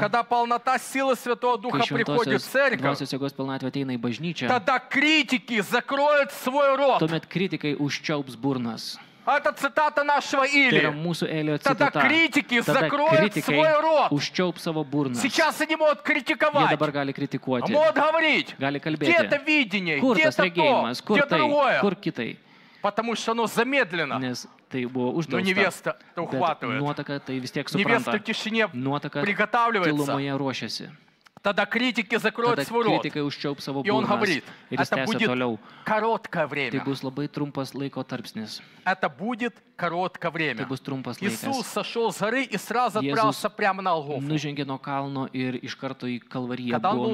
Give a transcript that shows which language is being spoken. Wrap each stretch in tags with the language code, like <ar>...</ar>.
<ru>Когда полнота силы Святого Духа приходит в церковь. Когда Святой Дух полнотой</ru> <lt>ateina į bažnyčią.</lt> <ru>Тогда критики закроют свой рот.</ru> <lt>Tuomet kritikai užčiaups burnas.</lt> <ru>Это цитата нашего Ильи.</ru> <lt>Tai yra mūsų Elio цитата.</lt> <ru>Тогда критики закроют свой рот.</ru> <lt>Užčiaups savo burnas.</lt> <ru>Сейчас они могут критиковать.</ru> <lt>Jie dabar gali kritikuoti.</lt> <ru>Могут говорить.</ru> <lt>Gali kalbėti.</lt> <ru>Где это видение?</ru> <lt>Kur tas regėjimas? Kur tai? Kur kitai?</lt> <ru>Потому что оно замедлено.</ru> <lt>Nes tai buvo uždelsta.</lt> <ru>Но невеста это ухватывает.</ru> <lt>Nuotaka tai vis tiek supranta.</lt> <ru>Невеста в тишине приготавливается.</ru> <lt>Tylumoje ruošiasi.</lt> <ru>Тогда критики закроют свой рот.</ru> <lt>Критикой užčiaups savo burnas.</lt> <ru>И он говорит, это будет короткое время.</ru> <lt>Tai bus labai trumpas laiko tarpsnis.</lt> <ru>Это будет короткое время.</ru> <lt>Tai bus trumpas laikas.</lt> <ru>Иисус сошел с горы и сразу отправился прямо на Голгофу.</ru> <lt>Nužengė nuo kalno ir iš karto į Kalvariją buvo</lt>